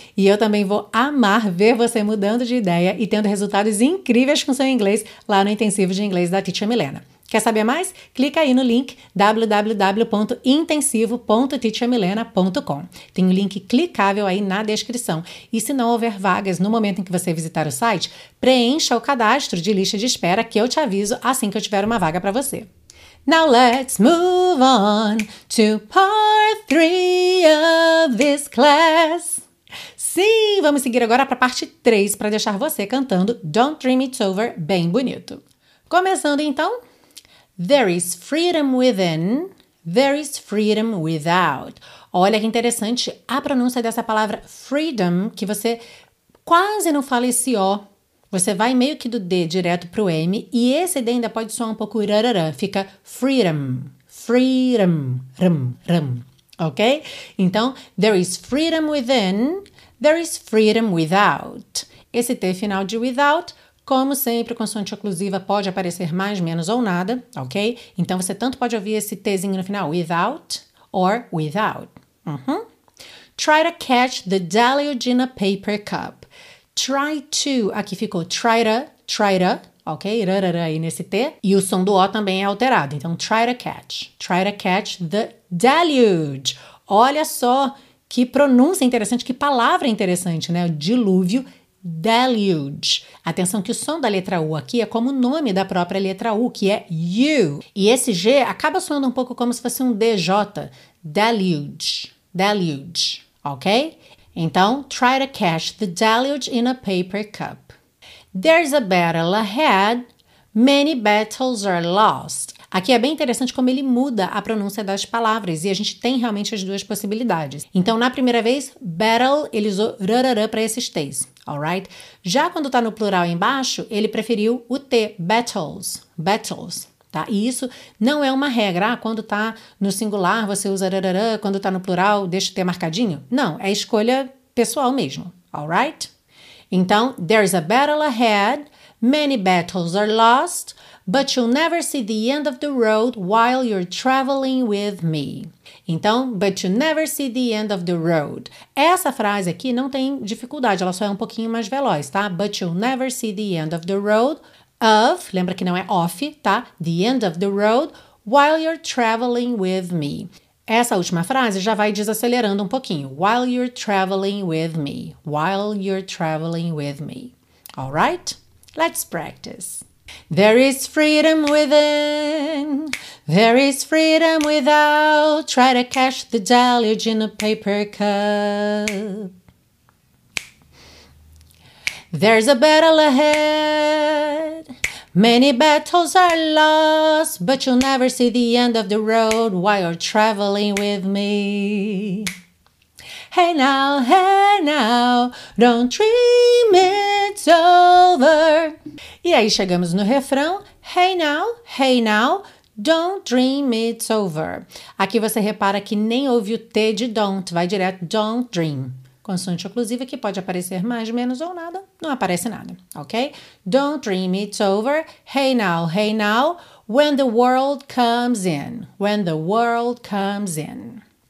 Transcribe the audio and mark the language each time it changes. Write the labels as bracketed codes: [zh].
[pt] E eu também vou amar ver você mudando de ideia e tendo resultados incríveis com seu inglês lá no intensivo de inglês da Teacher Milena. Quer saber mais? Clica aí no link www.intensivo.teachermilena.com. Tem um link clicável aí na descrição. E se não houver vagas no momento em que você visitar o site, preencha o cadastro de lista de espera que eu te aviso assim que eu tiver uma vaga para você. [en] Now let's move on to part 3 of this class. [pt] Sim, vamos seguir agora para a parte 3 para deixar você cantando Don't Dream It's Over bem bonito. Começando então, [en] there is freedom within, there is freedom without. [pt] Olha que interessante a pronúncia dessa palavra freedom, que você quase não fala esse O. Você vai meio que do D direto pro M, e esse D ainda pode soar um pouco rarará, fica freedom, freedom, rum, rum, ok? [en] Então, there is freedom within, there is freedom without. [pt] Esse T final de without, como sempre, consoante oclusiva pode aparecer mais, menos ou nada, ok? Então, você tanto pode ouvir esse Tzinho no final, without, or without. Uhum. [en] Try to catch the deluge in a paper cup. Try to, [pt] aqui ficou [en] try to, [pt] ok? Rarara aí nesse T. E o som do O também é alterado. [en] Então, try to catch the deluge. [pt] Olha só que pronúncia interessante, que palavra interessante, né? O dilúvio, deluge. Atenção que o som da letra U aqui é como o nome da própria letra U, que é U. E esse G acaba soando um pouco como se fosse um DJ. Deluge, deluge, ok? [en] Então, try to catch the deluge in a paper cup. There's a battle ahead. Many battles are lost. [pt] Aqui é bem interessante como ele muda a pronúncia das palavras. E a gente tem realmente as duas possibilidades. Então, na primeira vez, battle, ele usou rarará para esses T's. Alright? Já quando está no plural embaixo, ele preferiu o T, battles. Battles. Tá? E isso não é uma regra. Ah, quando está no singular, você usa rarará. Quando está no plural, deixa o T marcadinho. Não, é escolha pessoal mesmo. [en] Alright? Então, there's a battle ahead. Many battles are lost. But you'll never see the end of the road while you're traveling with me. Então, but you'll never see the end of the road. [pt] Essa frase aqui não tem dificuldade, ela só é um pouquinho mais veloz, tá? [en] But you'll never see the end of the road [pt] of, lembra que não é off, tá? [en] The end of the road while you're traveling with me. [pt] Essa última frase já vai desacelerando um pouquinho. [en] While you're traveling with me. While you're traveling with me. All right? Let's practice. There is freedom within, there is freedom without. Try to catch the deluge in a paper cup. There's a battle ahead, many battles are lost. But you'll never see the end of the road while you're traveling with me. Hey now, don't dream it's over. [pt] E aí chegamos no refrão, [en] hey now, don't dream it's over. [pt] Aqui você repara que nem ouve o T de don't, vai direto [en] don't dream. [pt] Consoante oclusiva que pode aparecer mais, menos ou nada, não aparece nada, ok? [en] Don't dream it's over, hey now, when the world comes in, when the world comes in.